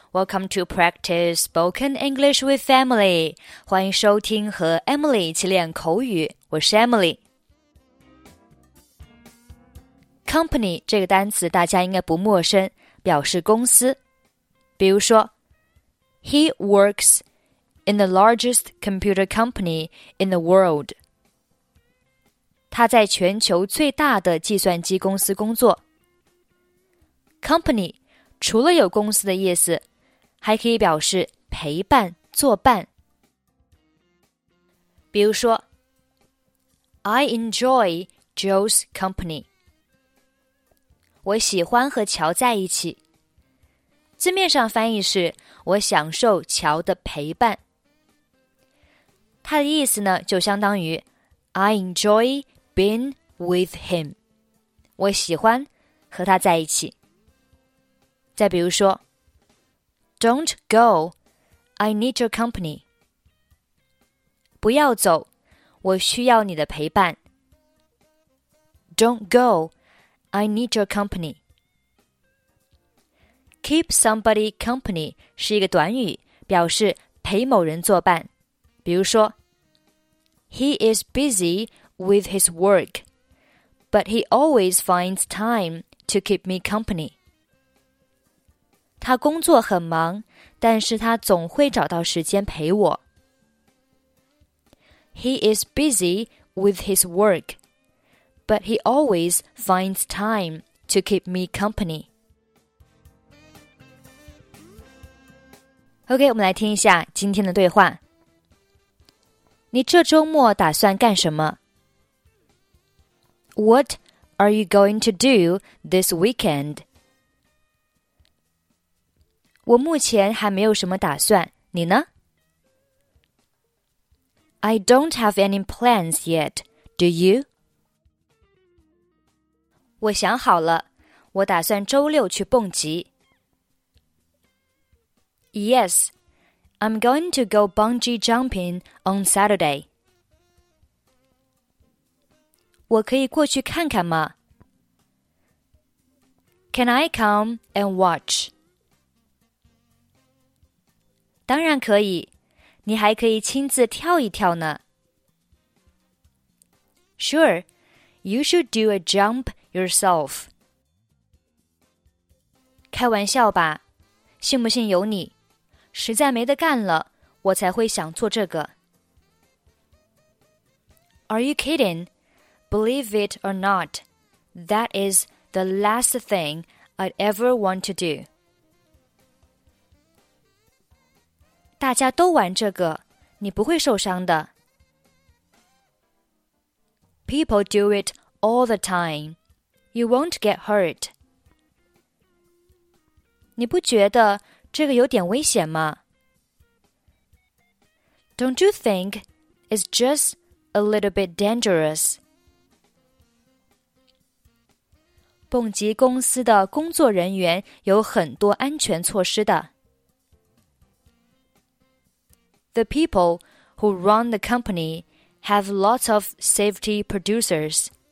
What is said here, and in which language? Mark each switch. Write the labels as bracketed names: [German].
[English] Welcome to Practice Spoken English with Emily. [Chinese] 欢迎收听和 Emily 一起练口语。我是 Emily。 Company 这个单词大家应该不陌生，表示公司。比如说 [English] ,He works in the largest computer company in the world. [Chinese] 他在全球最大的计算机公司工作。 Company除了有公司的意思，还可以表示陪伴、作伴。比如说 [English] ,I enjoy Joe's company. [Chinese] 我喜欢和乔在一起。字面上翻译是我享受乔的陪伴。它的意思呢就相当于 , [English] I enjoy being with him. [Chinese] 我喜欢和他在一起。再比如说 [English] ,Don't go, I need your company. [Chinese] 不要走，我需要你的陪伴。 [English] Don't go, I need your company. Keep somebody company [Chinese] 是一个短语，表示陪某人作伴。比如说 [English] ,He is busy with his work, but he always finds time to keep me company. [Chinese] 他工作很忙，但是他总会找到时间陪我。 [English] He is busy with his work, but he always finds time to keep me company. [Chinese] OK, 我们来听一下今天的对话。你这周末打算干什么？ [English] What are you going to do this weekend? [Chinese] 我目前还没有什么打算，你呢？ [English] I don't have any plans yet, do you? [Chinese] 我想好了，我打算周六去蹦极。 [English] Yes, I'm going to go bungee jumping on Saturday. [Chinese] 我可以过去看看吗？ [English] Can I come and watch? [Chinese] 当然可以，你还可以亲自跳一跳呢。 [English] Sure, you should do a jump yourself. [Chinese] 开玩笑吧，信不信由你，实在没得干了，我才会想做这个。 [English] Are you kidding? Believe it or not, that is the last thing I'd ever want to do. [Chinese] 大家都玩这个，你不会受伤的。 [English] People do it all the time. You won't get hurt. [Chinese] 你不觉得这个有点危险吗？ [English] Don't you think it's just a little bit dangerous? [Chinese] 蹦极公司的工作人员有很多安全措施的。 [English] The people who run the company have lots of safety producers.